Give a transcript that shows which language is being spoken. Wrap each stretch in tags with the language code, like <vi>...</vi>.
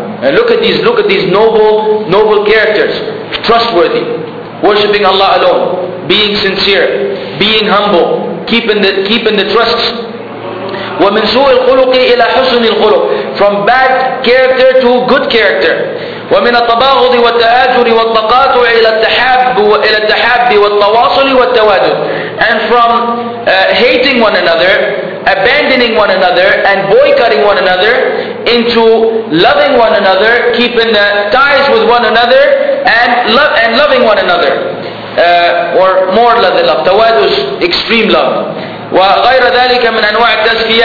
<en>And look at these noble characters, trustworthy, worshipping Allah alone, being sincere, being humble, keeping the trust.</en> <ar>ومن سوء الخلق إلى حسن الخلق.</ar> <en>From bad character to good character.</en> <ar>ومن التباغض والتآجر والتقاطع إلى التحاب والتواصل والتوادد.</ar> <en>And from hating one another, abandoning one another, and boycotting one another, into loving one another, keeping the ties with one another, and loving one another. Or more love, tawadus, extreme love.</en> <ar>وَغَيْرَ ذَلِكَ مِنْ أَنْوَاعِ التَّزْكِيَةِ.</ar>